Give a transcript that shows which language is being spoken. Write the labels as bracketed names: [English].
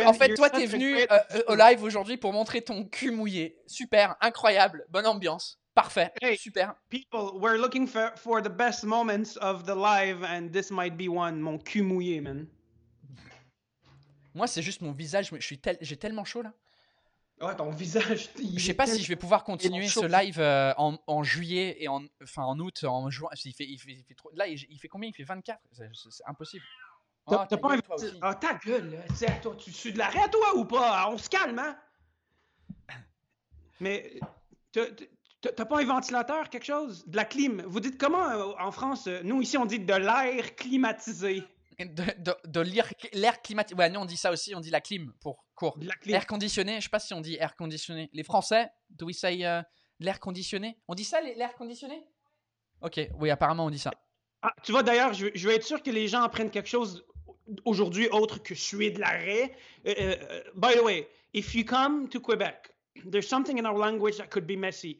[French] en fait, toi, t'es venu au live aujourd'hui pour montrer ton cul mouillé. Super, incroyable, bonne ambiance. Parfait, hey, super. [English] People, we're looking for the best moments of the live and this might be one, [French] mon cul mouillé, [English] man. [French] Moi, c'est juste mon visage. J'ai tellement chaud, là. Ouais, ton visage. Je sais pas si je vais pouvoir continuer ce live en juillet et en août, en juin. Il fait trop... Là, il fait combien? Il fait 24. C'est impossible. Ta gueule, là. Toi, tu suis de l'arrêt, toi, ou pas? On se calme, hein? Mais t'as pas un ventilateur, quelque chose? De la clim? Vous dites comment en France? Nous, ici, on dit de l'air climatisé. De l'air climatisé. Ouais, nous on dit ça aussi, on dit la clim pour court. L'air conditionné, je sais pas si on dit air conditionné. Les Français, [English] do we say [French] l'air conditionné? On dit ça, l'air conditionné? Ok, oui, apparemment on dit ça. Ah, tu vois, d'ailleurs, je veux être sûr que les gens apprennent quelque chose aujourd'hui autre que suer de l'arrêt. [English] By the way, if you come to Quebec, there's something in our language that could be messy.